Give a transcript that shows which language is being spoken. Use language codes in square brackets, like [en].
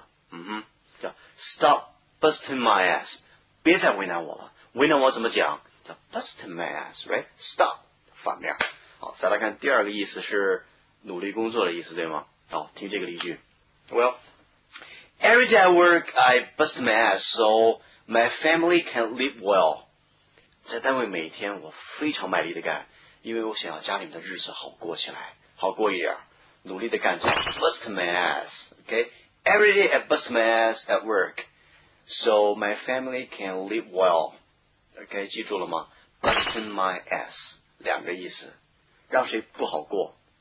[zh] 我真的希望导演别再为难我,我的麻烦事已经够多了。嗯哼,叫, [en] stop busting my ass, [zh] 别再为难我了,为难我怎么讲? [en] 叫, busting my ass, right? [zh] Stop, 反面。好,再来看第二个意思是, 努力工作的意思,对吗? 好,听这个例句。Well, [en] every day I work, I bust my ass so my family can live well. [zh] 在单位每天我非常卖力的干,因为我想要家里面的日子好过起来,好过一点,努力的干, [en] bust my ass, okay? Every day I bust my ass at work, so my family can live well. [zh] Okay, 记住了吗? [en] Busting my ass, [zh] 两个意思,让谁不好过。